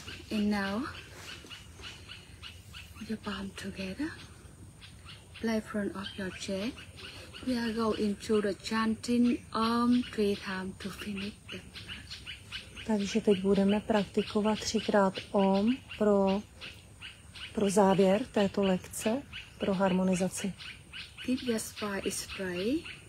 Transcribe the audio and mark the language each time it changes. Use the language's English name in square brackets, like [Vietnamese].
[English] And now, your palm together. Play front of your chest. We are going to the chanting Om 3 times to finish the [Czech] Takže teď budeme praktikovat třikrát Om pro závěr této lekce, pro harmonizaci. [English] Keep your spine is straight.